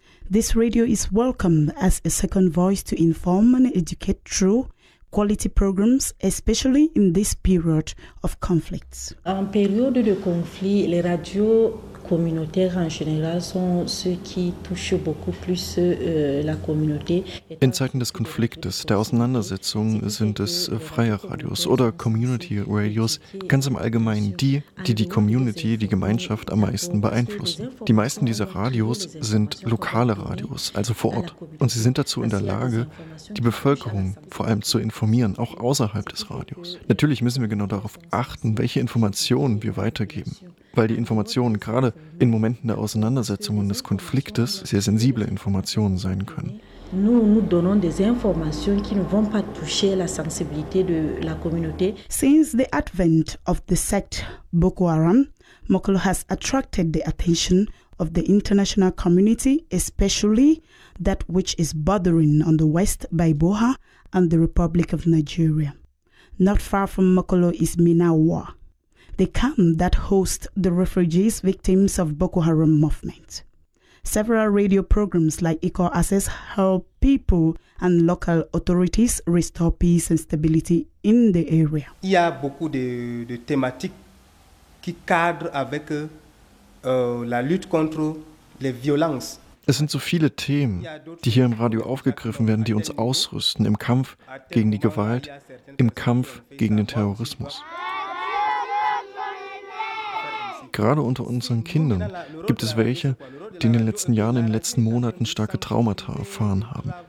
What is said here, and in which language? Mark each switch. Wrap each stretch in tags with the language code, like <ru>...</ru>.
<en>This radio is welcomed as a second voice to inform and educate through quality programs, especially in this period of conflicts.</en> <fr>En période de conflit, les radios communautaires en général sont ceux qui touchent beaucoup plus la communauté.</fr> <de>In Zeiten des Konfliktes, der Auseinandersetzung, sind es freie Radios oder Community Radios ganz im Allgemeinen die, die die Community, die Gemeinschaft am meisten beeinflussen. Die meisten dieser Radios sind lokale Radios, also vor Ort. Und sie sind dazu in der Lage, die Bevölkerung vor allem zu informieren, auch außerhalb des Radios. Natürlich müssen wir genau darauf achten, welche Informationen wir weitergeben, weil die Informationen gerade in Momenten der Auseinandersetzung und des Konfliktes sehr sensible Informationen sein können.</de> <fr>Nous donnons des informations qui ne vont pas toucher la sensibilité de la communauté.</fr> <en>Since the advent of the sect Boko Haram, Mokolo has attracted the attention of the international community, especially that which is bordering on the west by Boha and the Republic of Nigeria. Not far from Mokolo is Minawa, the camp that hosts the refugees victims of Boko Haram movement. Several radio programs like Echo Access help people and local authorities restore peace and stability in the area.</en> <fr>Il y a beaucoup de thématiques qui cadrent avec la lutte contre les violences.</fr> <de>Es sind so viele Themen, die hier im Radio aufgegriffen werden, die uns ausrüsten im Kampf gegen die Gewalt, im Kampf gegen den Terrorismus. Gerade unter unseren Kindern gibt es welche, die in den letzten Jahren, in den letzten Monaten starke Traumata erfahren haben.</de>